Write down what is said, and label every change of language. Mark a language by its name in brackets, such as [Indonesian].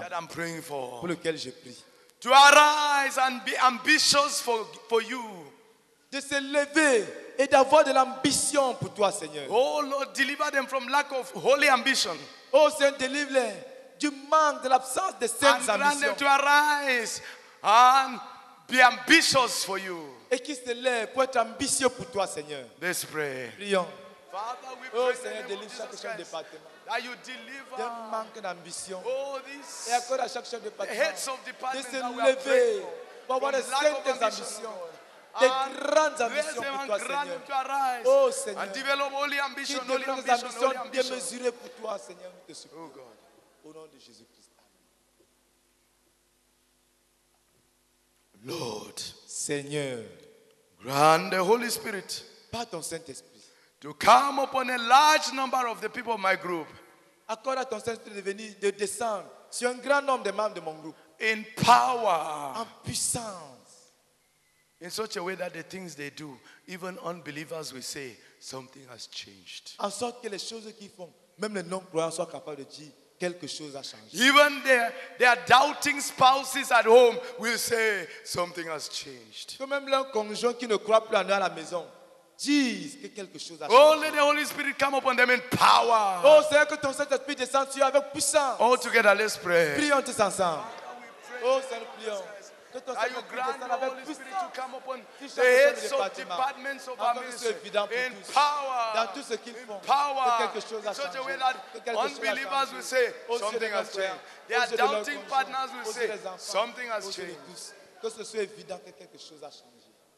[English] That I'm praying for. [French] Pour lequel je prie. [English] To arise and be ambitious for you. [French] De se lever et d'avoir de l'ambition pour toi, Seigneur. [English] Oh Lord, deliver them from lack of holy ambition. [French] Oh Seigneur, délivre-les du manque, de l'absence de saintes ambitions. [English] And grant them to arise and be ambitious for you. [French] Et qu'ils se lèvent pour être ambitieux pour toi, Seigneur. [English] Let's pray. [French] Prions. [English] Father, we oh pray [French] Seigneur, [English] in the name of [French] délivre chaque département. [English] That you deliver [French] manque d'ambition. [English] Oh, these heads of departments that we are praying for. [French] De se lever pour avoir des saintes ambitions. Des grandes ambitions [English] and develop holy ambition, holy ambition, holy ambition. [French] Démesurées pour toi, Seigneur, nous te supplions. [English] Oh God. [French] Au nom de Jésus-Christ. [English] Lord. [French] Seigneur. [English] Grant the Holy Spirit. [French] Par ton Saint-Esprit. [English] To come upon a large number of the people of my group. [French] Accorde à ton Saint-Esprit de venir, de descendre sur un grand nombre de membres de mon groupe. [English] In power. [French] En puissance. [English] In such a way that the things they do, even unbelievers will say, something has changed. [French] En sorte que les choses qu'ils font, même les non-croyants soient capables de dire, quelque chose a changé. [English] Even their doubting spouses at home will say, something has changed. [French] Que même leurs conjoints qui ne croient plus en eux à la maison. Jeez, que quelque chose a changé. [English] Oh, let the Holy Spirit come upon them in power. [French] Oh, Seigneur, que ton Saint-Esprit descende sur eux avec puissance. [English] All together, let's pray. [French] Prions tous ensemble. Oh, Seigneur, prions. Que ton Saint-Esprit descende avec puissance. [English] To come upon the heads of departments of our ministry in power. [French] Dans tout ce qu'ils font. [English] In power. [French] Que quelque chose a changé. [English] In such a way that unbelievers will say, something has changed. Their doubting partners will say, something has changed. [French] Que ce soit évident que quelque chose a changé.